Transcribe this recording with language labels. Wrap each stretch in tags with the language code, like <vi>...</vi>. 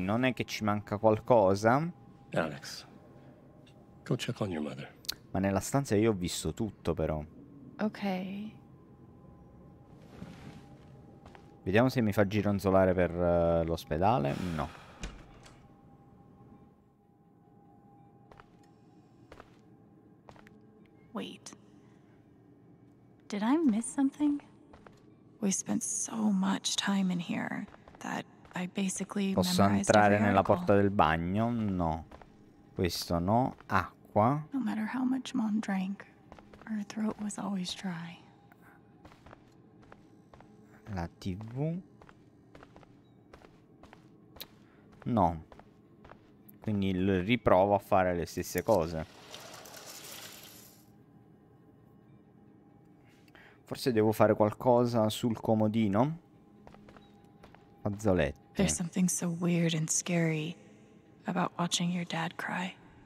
<it>Non è che ci manca qualcosa.</it> <en>Alex, go check on your mother.</en> <it>Ma nella stanza io ho visto tutto però. Ok. Vediamo se mi fa gironzolare per l'ospedale. No.</it> <en>Wait. Did I miss something? We spent so much time in here that I basically memorized.</en> <it>Posso entrare nella porta del bagno? No. Questo no. Acqua.</it> <en>No matter how much mom drank, her throat was always dry.</en> <it>La TV. No. Quindi riprovo a fare le stesse cose. Forse devo fare qualcosa sul comodino. Fazzolette.</it> <en>There's something so weird and scary about watching your dad cry.</en>